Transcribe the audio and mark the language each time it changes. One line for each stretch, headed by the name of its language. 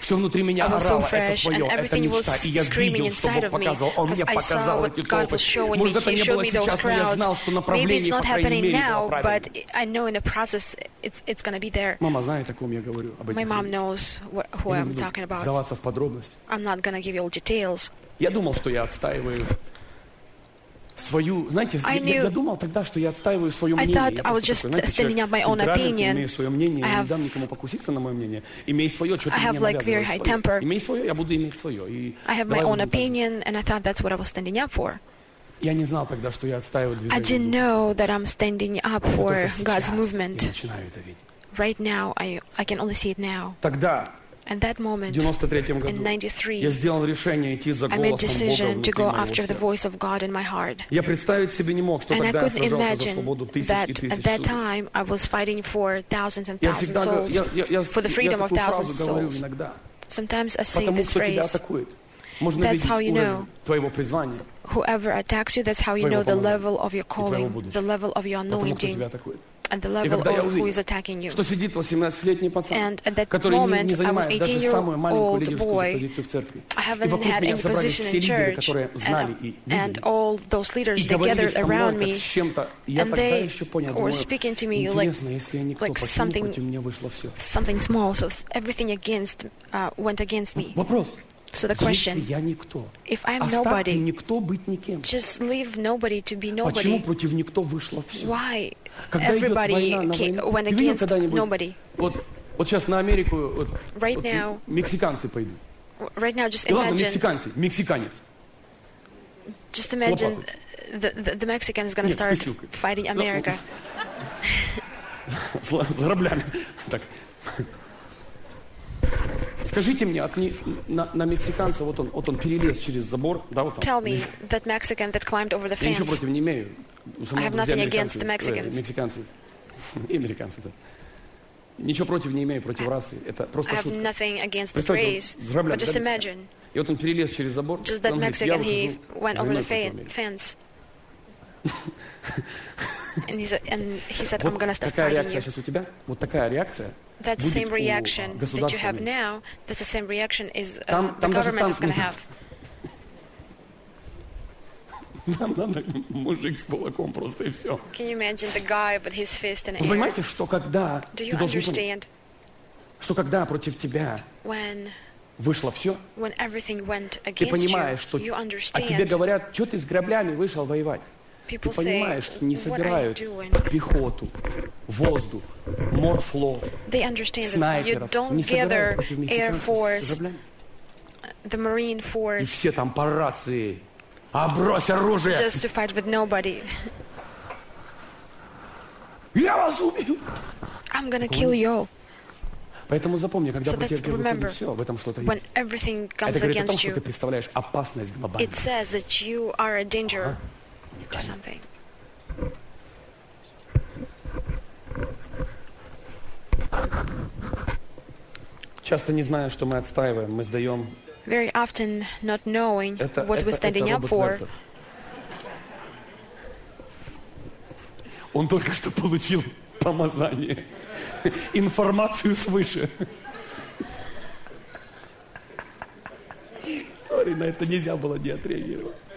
English: I was so fresh, and everything was screaming inside of me, because I saw what God was showing me. He showed me those crowds. Maybe it's not happening now, but I know in the process it's going to be there. My mom knows who I'm talking about. I'm not going to give you all details.
Russian: Я думал, что я отстаиваю свою, знаете, я думал тогда, что я отстаиваю своё мнение.
English: I thought I was just standing up my own opinion.
Russian: Имею своё мнение, не дам никому покуситься на моё мнение. Имею своё, что-то не навязываю.
English: I have like very high temper.
Russian: Имею своё, я буду иметь своё.
English: I have my own opinion and I thought that's what I was standing up for.
Russian: Я не знал тогда, что я отстаиваю движение.
English: I didn't know that I'm standing up for God's movement.
Russian: Я начинаю это видеть.
English: Right now I can only see it now.
Russian: Тогда
English: and that moment,
Russian: в 93-м году,
English: in 93,
Russian: я сделал решение идти за голосом Бога внутри моего сердца.
English: God in my heart.
Russian: Я представить себе не мог, что
English: and
Russian: тогда я сражался за свободу тысяч и тысяч людей.
English: I was fighting for thousands and thousands souls, for the freedom of thousands of souls. Sometimes I say this phrase.
Russian: Можно
English: that's how you know
Russian: твоего призвания.
English: Whoever attacks you, that's how you know the level of your calling, the level of your anointing. And the level of
Russian: увидел,
English: who is attacking you.
Russian: Что сидит 18-летний пацан,
English: and at that moment,
Russian: не
English: I was 18-year-old boy. I haven't had any position in church. And all those leaders, they gathered around me. And they were speaking to me like something small. So everything against went against me.
Russian: Вопрос.
English: So the question, if I'm nobody, just leave nobody to be nobody.
Russian: Почему против никто вышло все?
English: Why everybody went against nobody?
Russian: Вот сейчас на Америку, вот мексиканцы пойдут.
English: Right now, just imagine.
Russian: Ладно, мексиканцы, мексиканец.
English: Just imagine the Mexican is going to start fighting America.
Russian: С граблями. Так. Скажите мне, на мексиканца, вот он перелез через забор, да, вот он.
English: Tell me, that Mexican that climbed over the fence.
Russian: Я ничего против не имею.
English: I have nothing against the Mexicans.
Russian: Мексиканцы. И американцы, да. Ничего против не имею, против расы. Это просто шутка.
English: I have nothing against the race. But just imagine.
Russian: И вот он перелез через забор.
English: Just that Mexican, he went over the fence. And he said, I'm going to start
Russian: Какая реакция сейчас у тебя? Вот такая реакция.
English: That's the same reaction that you have now. That's the same reaction is the government is going to have.
Russian: Нам надо мужик с кулаком просто и все.
English: Can you imagine the guy with his fist in air?
Russian: Вы понимаете, что когда
English: do you understand?
Russian: Что когда против тебя
English: when
Russian: вышло все?
English: When everything went against you,
Russian: понимаешь, что
English: you understand?
Russian: А тебе говорят, что ты с граблями вышел воевать?
English: People
Russian: ты понимаешь,
English: say,
Russian: не собирают пехоту, воздух, морфлот,
English: they understand that you don't gather air force, the marine force.
Russian: И все там по рации. А брось оружие.
English: Just to fight with nobody.
Russian: Я вас убью.
English: I'm gonna kill you all.
Russian: Поэтому запомни, когда so против тебя выходит все, в этом что-то
English: when
Russian: есть. Это говорит о том, что ты представляешь опасность глобально.
English: It says that you are a danger.
Russian: Часто не зная, что мы отстаиваем, мы сдаем.
English: Very often, not knowing what we're standing up for.
Russian: Он только что получил помазание, информацию свыше.
English: Sorry,
Russian: на это нельзя было не отреагировать.